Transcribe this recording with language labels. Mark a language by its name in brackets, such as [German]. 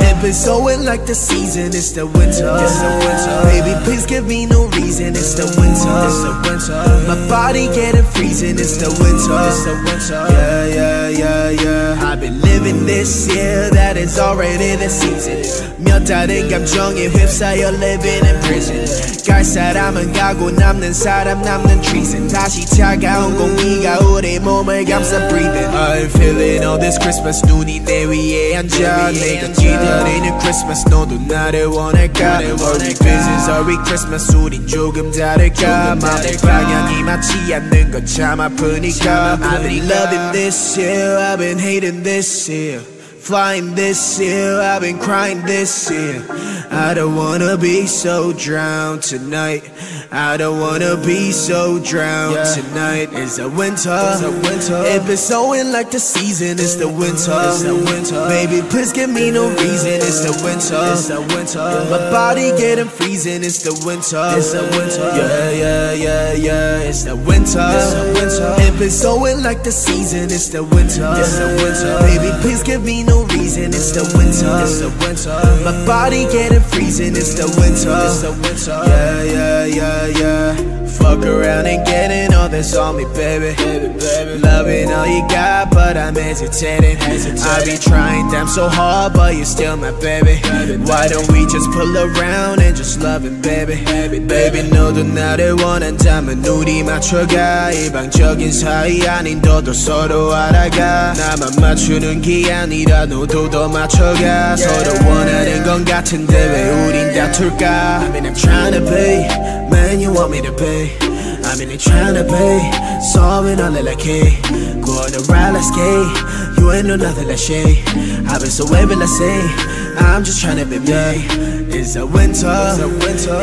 [English] It be snowing like the season. It's the winter, it's a winter. Baby, please give me no reason. It's the winter, it's a winter. My body getting freezing. It's the winter, it's a winter. Yeah. I've been living this year. That is already in the season. [Korean] 몇 달의 감정에 휩싸여 [English] living in prison. [Korean] 갈 사람은 가고 남는 사람 남는 treason. 다시 차가운 공기가 우리 몸을 감싸 breathing. [English] I'm feeling all this Christmas. [Korean] 눈이 내 위에 앉아 내가 기다리는 Christmas. 너도 나를 원할까. [English] Are we business? Are we Christmas? [Korean] 우린 조금 다를까. 마음의 방향이 맞지 않는 건 참 아프니까. [English] I've been loving this year. I've been hating this year. Flying this year, I've been crying this year. I don't wanna be so drowned tonight. I don't wanna be so drowned tonight. It's a winter, it's a winter. It be snowing like the season. It's the winter, it's a winter. Baby, please give me no reason. It's the winter, it's a winter. My body getting freezing. It's the winter, it's a winter. Yeah. It's the winter, it's a winter. It be snowing like the season. It's the winter, it's a winter. Baby, please give me no reason. It's the winter, it's the winter. My body getting freezing. It's the winter, it's the winter. Yeah. Fuck around and getting all this on me, baby. Loving all you got, but I'm hesitating. I be trying damn so hard, but you're still my baby. Why don't we just pull around and just love it, baby? [Korean] Baby, 너도 나를 원한다면 우리 맞춰가. 일방적인 사이 아닌 너도 서로 알아가. 나만 맞추는 게 아니라 너도 더 맞춰가. 서로 원하는 건 같은데 왜 우린 다툴까? [English] I mean I'm trying to be, man you want me to be. I mean they tryna be, solving all the like hey. Go on the ride, let's skate. You ain't know nothing like shade. I've been so wavy, let's say. I'm just tryna be me. It's a winter, it's a winter.